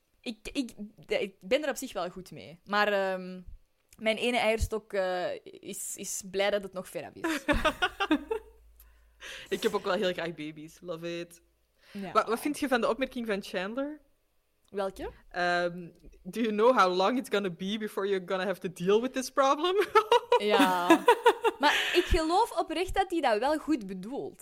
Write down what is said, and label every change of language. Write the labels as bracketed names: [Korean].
[English] Okay. [Dutch] Ik ben er op zich wel goed mee. Maar mijn ene eierstok is blij dat het nog ver af is. Ik heb ook wel heel graag baby's. [English] Love it. [Dutch] Ja. Wat vind je van de opmerking van Chandler? Welke? [English] Do you know how long it's gonna be before you're gonna have to deal with this problem? [Dutch] Ja. Maar ik geloof oprecht dat hij dat wel goed bedoelt.